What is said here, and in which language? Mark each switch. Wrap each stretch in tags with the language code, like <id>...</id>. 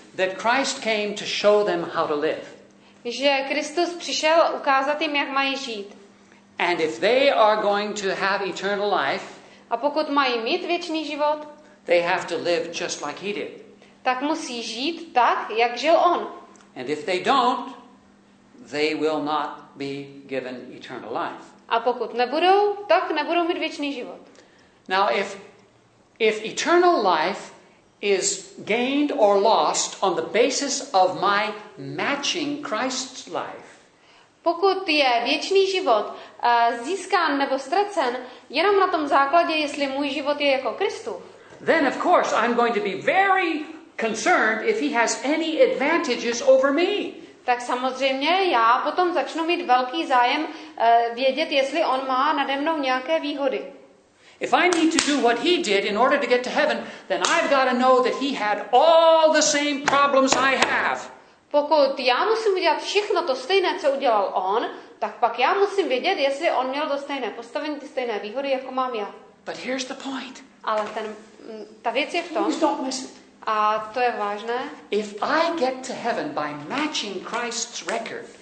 <en>that Christ came to show them how to live.</en> <cs>Že Kristus přišel ukázat jim, jak mají žít.</cs> <en>And if they are going to have eternal life,</en> <cs>a pokud mají mít věčný život,</cs> <en>they have to live just like he did.</en> <cs>Tak musí žít tak, jak žil on.</cs> <en>And if they don't, they will not be given eternal life.</en> <cs>A pokud nebudou, tak nebudou mít věčný život.</cs> <en>Now if eternal life is gained or lost on the basis of my matching Christ's life.</en> <cs>Pokud je věčný život získán nebo ztracen jenom na tom základě, jestli můj život je jako Kristův.</cs> <en>Then of course I'm going to be very concerned if he has any advantages over me.</en> <cs>Tak samozřejmě já potom začnu mít velký zájem vědět, jestli on má nade mnou nějaké výhody.</cs> <en>If I need to do what he did in order to get to heaven, then I've got to know that he had all the same problems I have.</en> <cs>Pokud já musím udělat všechno to stejné, co udělal on, tak pak já musím vědět, jestli on měl to stejné postavení, ty stejné výhody, jako mám já.</cs> <en>But here's the point.</en> <cs>Ale ta věc je v tom.</cs> <en>Please don't miss it.</en> <cs>A to je vážné.</cs> <en>If I get to heaven by matching Christ's record.</en>